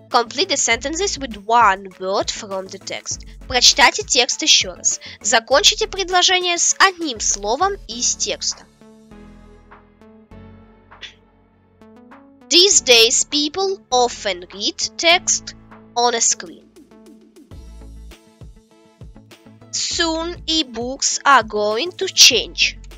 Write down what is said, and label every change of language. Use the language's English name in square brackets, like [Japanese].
[English] Complete the sentences with one word from the text. [Russian] Прочитайте текст еще раз. Закончите предложение с одним словом из текста. [English] These days people often read text on a screen. Soon e-books are going to change.